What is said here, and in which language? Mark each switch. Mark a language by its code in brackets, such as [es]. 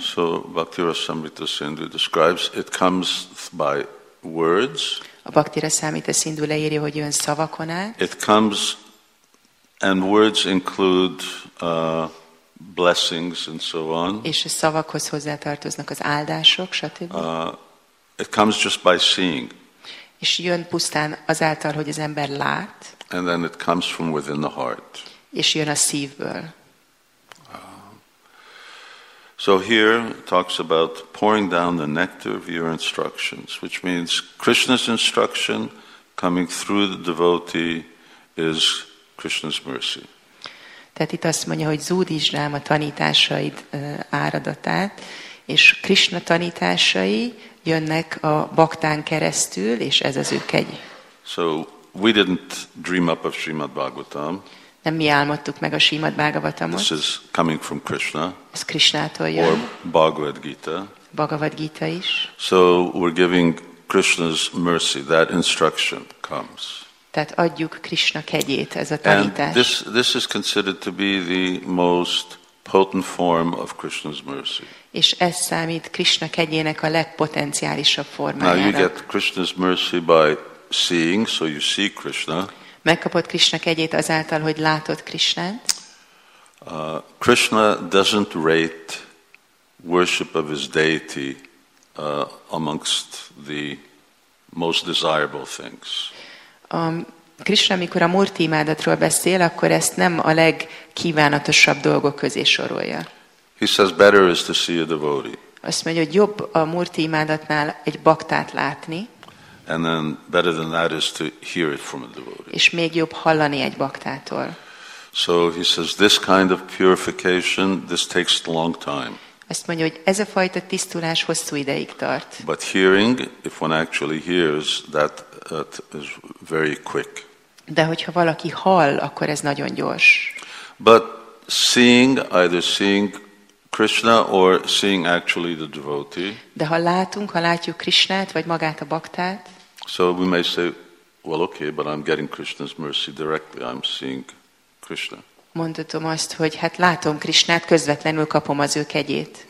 [en] So Bhakti Rasamrita Sindhu describes it comes by words. [hu] A Bhakti Rasamrita Sindhu leírja, hogy jön szavakon át. [en] It comes And words include blessings and so on. [hu] És a szavakhoz hozzátartoznak az áldások, stb. [en] It comes just by seeing. [hu] És jön pusztán azáltal, hogy az ember lát. [en] And then it comes from within the heart. [hu] És jön a szívből. [en] So here talks about pouring down the nectar of your instructions, which means Krishna's instruction coming through the devotee is Krishna's mercy. [hu] Tehát itt azt mondja, hogy zúdítsd rám a tanításaid áradatát, és Krishna tanításai jönnek a baktán keresztül, és ez az ő kegy. [en] So we didn't dream up of Srimad Bhagavatam. [hu] Nem mi álmodtuk meg a Srimad Bhagavatamot. [en] This is coming from Krishna. [hu] Ez Krishnától jön. [en] Or Bhagavad Gita. [hu] Bhagavad Gita is. [en] So we're giving Krishna's mercy, that instruction comes. [hu] Tehát adjuk Krishna kegyét, ez a tanítás. [en] And this is considered to be the most potent form of Krishna's mercy. [hu] És ez számít Krishna kegyének a legpotenciálisabb formájára. [en] Now you get Krishna's mercy by seeing, so you see Krishna. [hu] Megkapod Krishna kegyét azáltal, hogy látod Krishnát. [en] Krishna doesn't rate worship of his deity amongst the most desirable things. [hu] Krishna, amikor a Murti imádatról beszél, akkor ezt nem a legkívánatosabb dolgok közé sorolja. [en] He says better is to see a devotee. [hu] Azt mondja, hogy jobb a Murti imádatnál egy baktát látni. [en] And then better than that is to hear it from a devotee. [hu] És még jobb hallani egy baktától. [en] So he says this kind of purification, this takes a long time. [hu] Azt mondja, hogy ez a fajta tisztulás hosszú ideig tart. [en] But hearing, if one actually hears, that is very quick. [hu] De hogyha valaki hall, akkor ez nagyon gyors. [en] But seeing, either seeing Krishna or seeing actually the devotee. [hu] De ha látunk, ha látjuk Krishnát vagy magát a baktát. [en] So we may say, well, okay, but I'm getting Krishna's mercy directly. I'm seeing Krishna. [hu] Mondhatom azt, hogy hát látom Krishnát, közvetlenül kapom az ő kegyét.